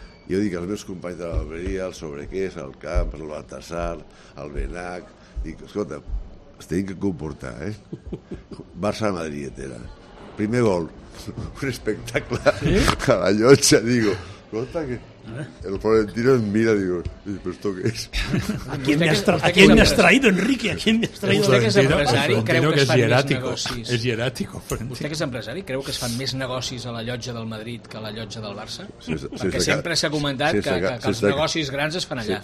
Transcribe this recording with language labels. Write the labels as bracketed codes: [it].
[ca] Jo dic als meus companys de la barberia, el Sobrequés, el Camp, el Baltasar, el Benac, dic, escolta, els tenim que comportar, eh? Barça-Madrid era. Primer gol, un espectacle, sí? A la llotja, digo, escolta, que el Florentino em mira, digo, però esto què és? [es] ¿A quién me has traído, Enrique? ¿A quién me has traído? [ca] ¿Vostè que és empresari creu que es fan més negocis? ¿Vostè que és empresari creu que es fan més negocis a la llotja del Madrid que a la llotja del Barça? Perquè sempre s'ha comentat que els negocis grans es fan allà.